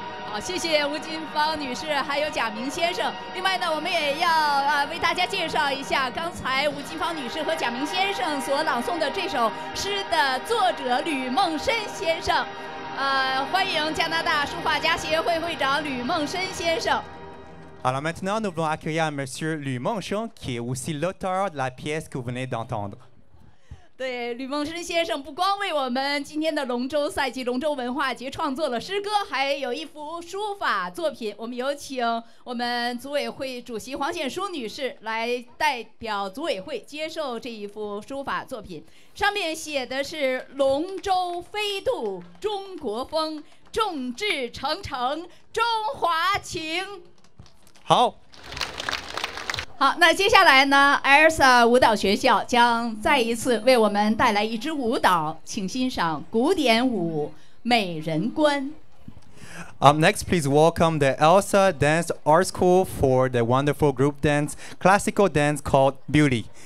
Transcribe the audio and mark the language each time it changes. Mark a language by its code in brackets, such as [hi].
[zh] 好，谢谢吴金芳女士，还有贾明先生。另外呢，我们也要为大家介绍一下刚才吴金芳女士和贾明先生所朗诵的这首诗的作者吕梦申先生。欢迎加拿大书画家协会会长吕梦申先生。 [fr] Alors maintenant, nous voulons accueillir Monsieur Lu Mengsheng, qui est aussi l'auteur de la pièce que vous venez d'entendre. [zh] 对，吕梦申先生不光为我们今天的龙舟赛及龙舟文化节创作了诗歌，还有一幅书法作品。我们有请我们组委会主席黄显淑女士来代表组委会接受这一幅书法作品，上面写的是“龙舟飞渡中国风，众志成城中华情”。好。好，那接下来呢 ，Elsa 舞蹈学校将再一次为我们带来一支舞蹈，请欣赏古典舞《美人关》。 [en] Next, please welcome the Elsa Dance Art School for the wonderful group dance, classical dance called Beauty.